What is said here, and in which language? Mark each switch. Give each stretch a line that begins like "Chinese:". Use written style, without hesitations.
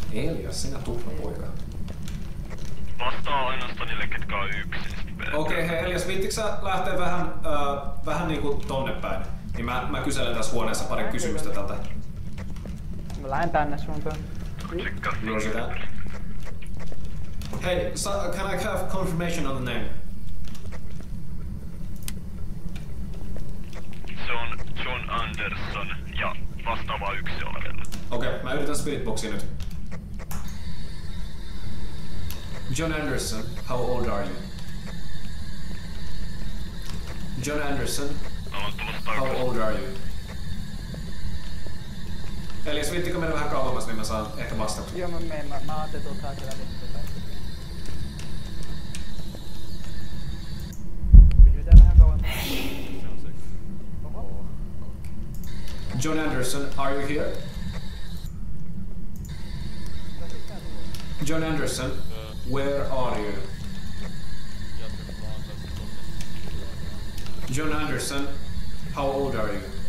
Finnish: Elias, sinä tuhma poika. vastaa ainoastaan niille, ketkä on yksin. Okei, hei Elias, viittikö sä lähtee vähän, vähän niinku tonne päin? Niin mä kyselen tässä huoneessa pari kysymystä tältä. Mä lähden tänne suuntaan. Joo, sitä.
English: Hei, so, can I have confirmation on the name?
Finnish: Se on John Anderson ja vastaava yksi olevan. Okei, okay, mä yritän spiritboxia nyt.
English: John Anderson, how old are you? John Anderson, how old are you?
Finnish: Eli jos viittikö mennä vähän kauemmas, niin mä saan ehkä vastata. Joo, mä menen. Mä ajattelin tuolta kyllä vittua. Pysytään vähän kauemmas.
English: John Anderson, are you here? John Anderson, where are you? John Anderson, how old are you?